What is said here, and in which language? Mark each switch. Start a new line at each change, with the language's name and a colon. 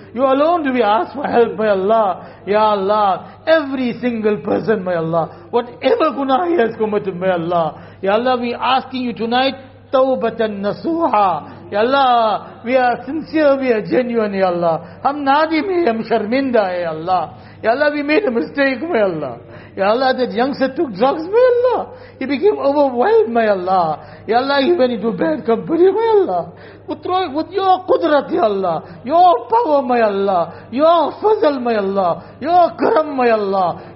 English: You alone do we ask for help, my Allah. Ya Allah, every single person, my Allah, whatever guna he has committed, my Allah. Ya Allah, we asking you tonight, تَوْبَةً نَسُوحًا. Ya Allah, we are sincere, we are genuine, ya Allah.
Urdu: هَمْ نَادِمِ هَمْ شَرْمِنْدَ, ya Allah.
English: Ya Allah, we made a mistake, my Allah. Ya Allah, that youngster took drugs, my Allah. He became overwhelmed, my Allah. Ya Allah, he went into bad company, my Allah. With your qudrat, ya Allah. Your power, my Allah. Your fazal, my Allah. Your karam, my Allah.